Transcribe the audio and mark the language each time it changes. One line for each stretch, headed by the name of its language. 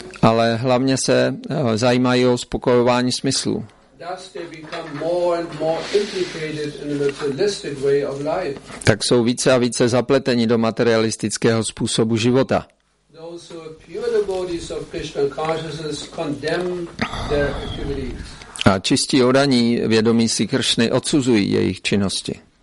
Czech: Ale hlavně se zajímají o uspokojování smyslů.
English: Thus they become more and more implicated in a materialistic way of life.
Czech: Tak jsou více a více zapleteni do materialistického způsobu života.
English: Those who are pure devotees of Krishna consciousness condemn their activities.
Czech: A čistí odaní vědomí si Kršny odsuzují jejich činnosti.